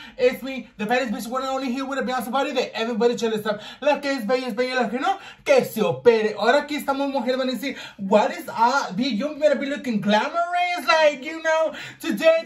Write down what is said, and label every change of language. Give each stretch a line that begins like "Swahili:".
English: It's me, the baddest bitch, one and only here with a Beyonce body that everybody jealous of.
Spanish: La que es bella, la que no, que se opere. Ahora aquí estamos, mujeres, van a decir,
English: what is up? You better be looking glamorous, like, you know, today.